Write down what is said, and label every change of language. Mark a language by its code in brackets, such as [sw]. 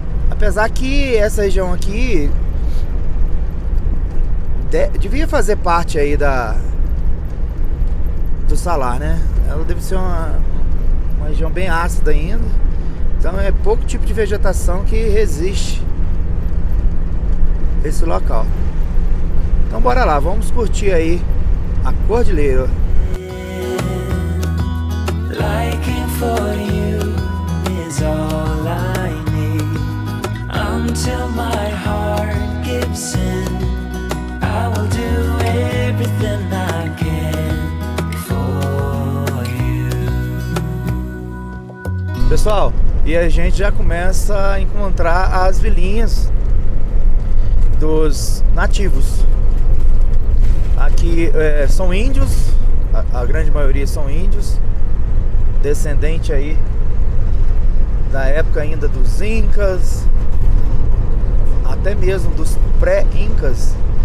[pt] Apesar que essa região aqui devia fazer parte aí do salar, né? Ela deve ser uma região bem ácida ainda. Então é pouco tipo de vegetação que resiste esse local. Então bora lá, vamos curtir aí a cordilheira. [en] Liking for you is all I need. Until my heart gives in, I will do everything I can for you. [pt] Pessoal, e a gente já começa a encontrar as vilinhas dos nativos. Aqui são índios, a grande maioria são índios, descendente aí da época ainda dos incas, até mesmo dos pré-incas.